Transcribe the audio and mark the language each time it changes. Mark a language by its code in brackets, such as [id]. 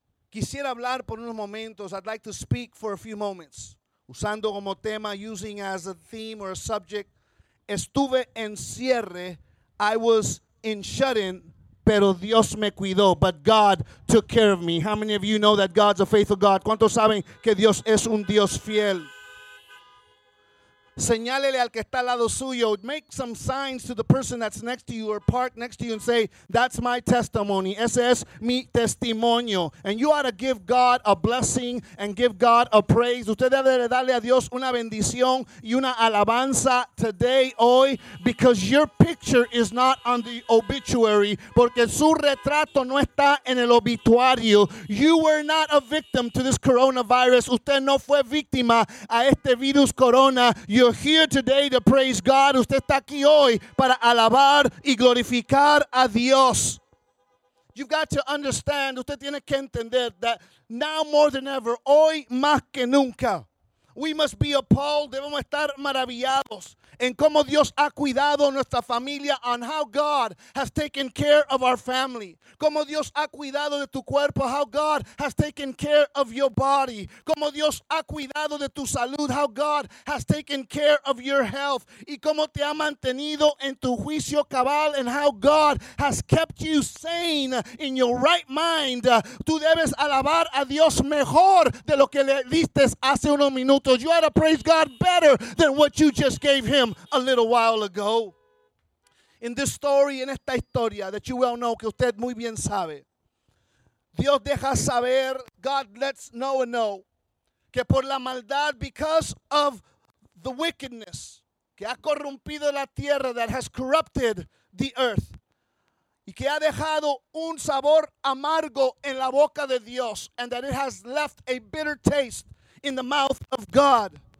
[es] Quisiera hablar por unos momentos. [en] I'd like to speak for a few moments. [es] Usando como tema, [en] using as a theme or a subject. [es] Estuve en cierre. [en] I was in shut-in. [es] Pero Dios me cuidó, [en] but God took care of me. How many of you know that God's a faithful God? [es] ¿Cuántos saben que Dios es un Dios fiel? Señálele al que está al lado suyo. [en] Make some signs to the person that's next to you or parked next to you and say, that's my testimony. [es] Ese es mi testimonio. [en] And you ought to give God a blessing and give God a praise. [es] Usted debe darle a Dios una bendición y una alabanza [en] today, [es] hoy, [en] because your picture is not on the obituary. [es] Porque su retrato no está en el obituario. [en] You were not a victim to this coronavirus. [es] Usted no fue víctima a este virus corona. [en] You're here today to praise God. [es] Usted está aquí hoy para alabar y glorificar a Dios. [en] You've got to understand, [es] usted tiene que entender [en] that now more than ever, [es] hoy más que nunca, [en] we must be appalled, [es] debemos estar maravillados. en cómo Dios ha cuidado nuestra familia, [en] on how God has taken care of our family. [es] Cómo Dios ha cuidado de tu cuerpo, [en] how God has taken care of your body. [es] Cómo Dios ha cuidado de tu salud, [en] how God has taken care of your health. [es] Y cómo te ha mantenido en tu juicio cabal, [en] and how God has kept you sane in your right mind. [es] Tú debes alabar a Dios mejor de lo que le diste hace unos minutos. [en] You ought to praise God better than what you just gave him a little while ago. In this story, [es] en esta historia [en] that you well know, [es] que usted muy bien sabe, Dios deja saber, [en] God lets Noah know, [es] que por la maldad, [en] because of the wickedness, [es] que ha corrompido la tierra, [en] that has corrupted the earth, [es] y que ha dejado un sabor amargo en la boca de Dios, [en] and that it has left a bitter taste in the mouth of God.